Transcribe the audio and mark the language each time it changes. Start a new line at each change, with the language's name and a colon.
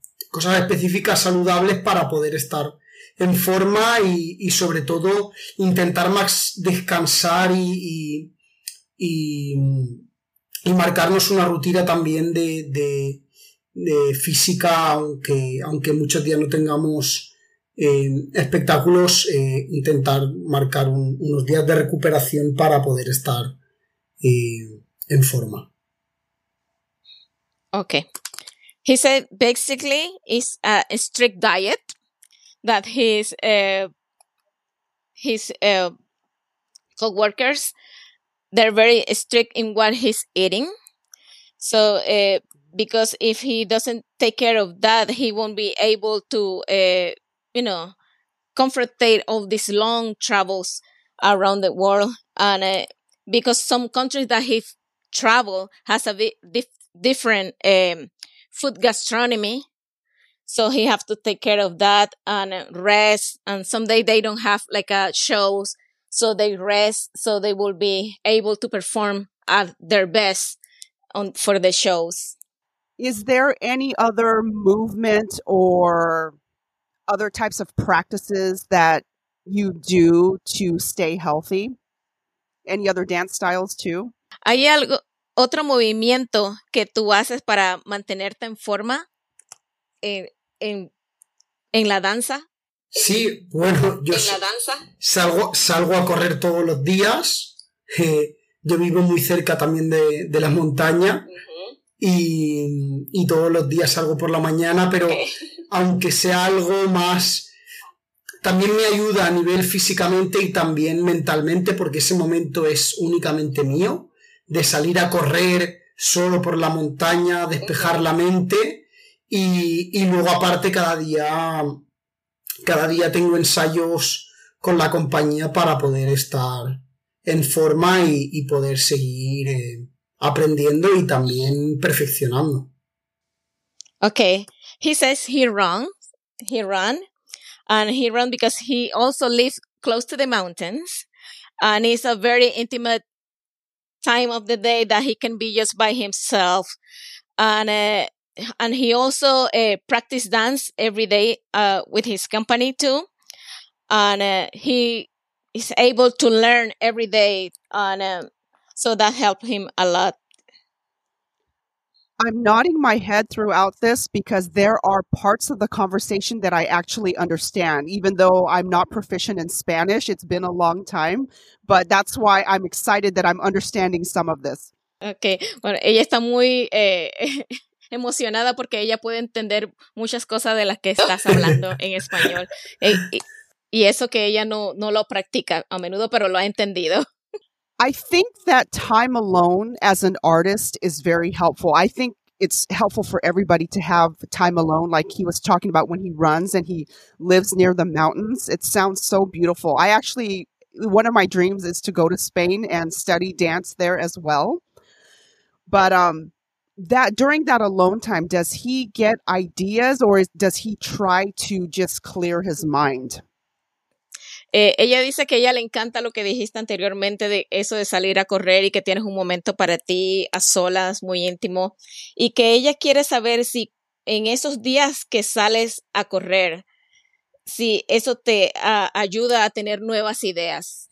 Spanish: cosas específicas saludables para poder estar en forma y sobre todo intentar más descansar y marcarnos una rutina también de física, aunque muchos días no tengamos espectáculos, intentar marcar unos días de recuperación para poder estar en forma.
English: Okay. He said basically it's a strict diet that his co-workers, they're very strict in what he's eating. So because if he doesn't take care of that, he won't be able to, confront all these long travels around the world. And because some countries that he travel has a different food gastronomy, so he have to take care of that and rest. And some day they don't have like a shows, so they rest, so they will be able to perform at their best on for the shows. Is there any other movement or other types of practices that you do to stay healthy? Any other dance styles too?
Spanish: Hay algo. Otro movimiento que tú haces para mantenerte en forma en la danza. Sí, bueno, yo en la danza salgo a correr todos los días. Yo vivo muy cerca también de la montaña. Uh-huh. Y todos los días salgo por la mañana, pero okay. Aunque sea algo más, también me ayuda a nivel físicamente y también mentalmente, porque ese momento es únicamente mío. De salir a correr solo por la montaña, despejar la mente, y luego aparte cada día tengo ensayos con la compañía para poder estar en forma y poder seguir aprendiendo y también perfeccionando.
English: Okay, he says he runs, and he runs because he also lives close to the mountains, and it's a very intimate time of the day that he can be just by himself, and he also practice dance every day with his company too, and he is able to learn every day, and so that helped him a lot. I'm nodding my head throughout this because there are parts of the conversation that I actually understand, even though I'm not proficient in Spanish. It's been a long time, but that's why I'm excited that I'm understanding some of this.
Spanish: Okay, bueno, ella está muy emocionada porque ella puede entender muchas cosas de las que estás hablando en español. Y eso que ella no lo practica a menudo, pero lo ha entendido.
English: I think that time alone as an artist is very helpful. I think it's helpful for everybody to have time alone, like he was talking about when he runs and he lives near the mountains. It sounds so beautiful. I actually, one of my dreams is to go to Spain and study dance there as well. But that during that alone time, does he get ideas or does he try to just clear his mind?
Spanish: Ella dice que ella le encanta lo que dijiste anteriormente de eso de salir a correr y que tienes un momento para ti a solas, muy íntimo. Y que ella quiere saber si en esos días que sales a correr, si eso te ayuda a tener nuevas ideas.